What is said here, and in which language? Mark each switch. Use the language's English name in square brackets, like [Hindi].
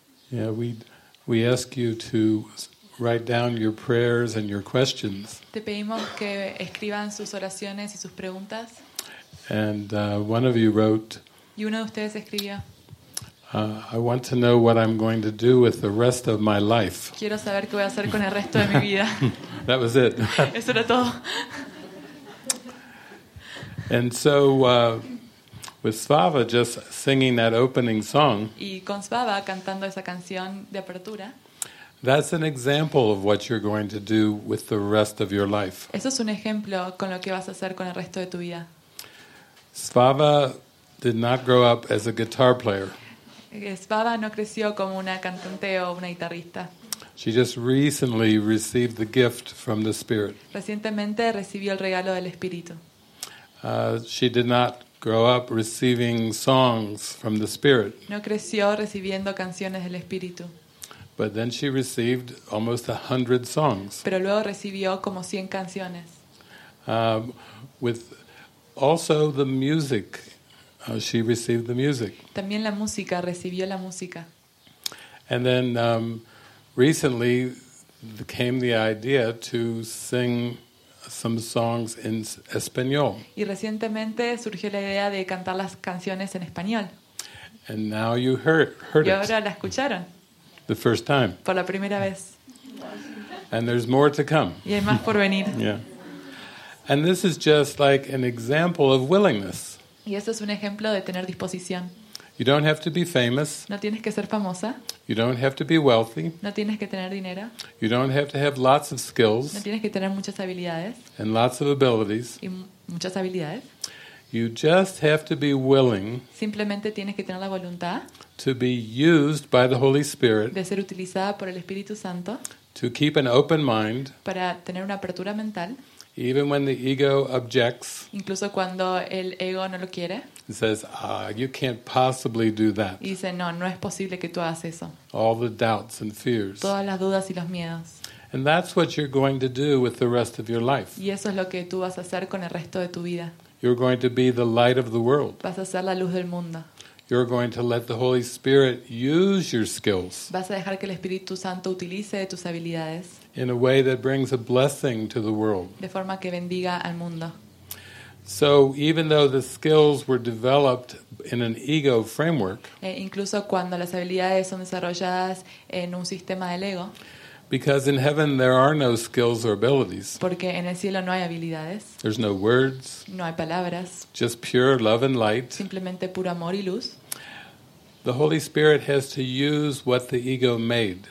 [English] Yeah, we ask you to write down your prayers and your questions. [Spanish] Te pedimos que escriban sus oraciones y sus preguntas. [English] And one of you wrote, [Spanish] y uno de ustedes escribió, [English] I want to know what I'm going to do with the rest of my life. [Spanish] Quiero saber qué voy a hacer con el resto de mi vida. [English] That was it. [Spanish] Eso era todo. [English] And so with Svava just singing that opening song, [Spanish] y con Svava cantando esa canción de apertura, [English] that's an example of what you're going to do with the rest of your life. [Spanish] Eso es un ejemplo con lo que vas a hacer con el resto de tu vida. [English] Svava did not grow up as a guitar player. [Spanish] Svava no creció como una cantante o una guitarrista. [English] She just recently received the gift from the Spirit. [Spanish] Recientemente recibió el regalo del Espíritu. [English] She did not grow up receiving songs from the Spirit. [Spanish] No creció recibiendo canciones del Espíritu. [English] But then she received almost 100 songs. [Spanish] Pero luego recibió como 100 canciones. [English] With also the music, she received the music. [Spanish] También la música, recibió la música. [English] And then recently came the idea to sing some songs in español. [Spanish] Y recientemente surgió la idea de cantar las canciones en español. [English] And now you heard it. [Spanish] Y ahora la escucharon. [English] The first time. [Spanish] Por la primera vez. [English] And there's more to come. [Spanish] Y hay más por venir. [English] Yeah. And this is just like an example of willingness. [Spanish] Y eso es un ejemplo de tener disposición. [English] You don't have to be famous. [Spanish] No tienes que ser famosa. [English] You don't have to be wealthy. [Spanish] No tienes que tener dinero. [English] You don't have to have lots of skills. [Spanish] No tienes que tener muchas habilidades. [English] And lots of abilities. [Spanish] Y muchas habilidades. [English] You just have to be willing. [Spanish] Simplemente tienes que tener la voluntad. [English] To be used by the Holy Spirit. [Spanish] De ser utilizada por el Espíritu Santo. [English] To keep an open mind. [Spanish] Para tener una apertura mental. [English] Even when the ego objects, [Spanish] incluso cuando el ego no lo quiere, [English] it says, you can't possibly do that. [Spanish] Y dice, no, no es posible que tú hagas eso. [English] All the doubts and fears. [Spanish] Todas las dudas y los miedos. [English] And that's what you're going to do with the rest of your life. [Spanish] Y eso es lo que tú vas a hacer con el resto de tu vida. [English] You're going to be the light of the world. [Spanish] Vas a ser la luz del mundo. [English] You're going to let the Holy Spirit use your skills. [Spanish] Vas a dejar que el Espíritu Santo utilice tus habilidades. [English] In a way that brings a blessing to the world. [Spanish] De forma que bendiga al mundo. [English] So even though the skills were developed in an ego framework, [Spanish] incluso cuando las habilidades son desarrolladas en un sistema del ego, [English] because in heaven there are no skills or abilities. [Spanish] Porque en el cielo no hay habilidades. [English] There's no words. [Spanish] No hay palabras. [English] Just pure love and light. [Spanish] Simplemente puro amor y luz. [English] The Holy Spirit has to use what the ego made.